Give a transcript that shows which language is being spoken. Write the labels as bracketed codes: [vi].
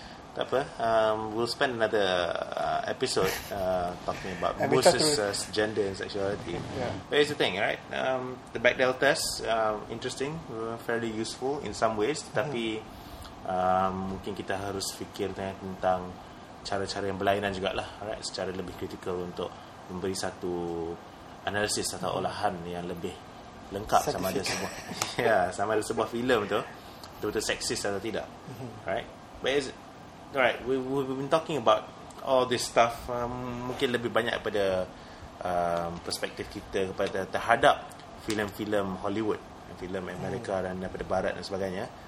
[ms] Tak apa, [en] we'll spend another episode talking about Moses' gender and sexuality. Yeah. But here's the thing, right? The Bechdel test, interesting, fairly useful in some ways. [ms] Tetapi mungkin kita harus fikir tentang cara-cara yang berlainan jugalah, right? Secara lebih kritikal untuk memberi satu analisis atau olahan yang lebih lengkap sama ada sebuah sama ada sebuah filem tu betul-betul seksis atau tidak. Right? [en] But is it? Alright, we've been talking about all this stuff. [ms] Mungkin lebih banyak daripada perspektif kita kepada terhadap filem-filem Hollywood, filem Amerika dan daripada Barat dan sebagainya.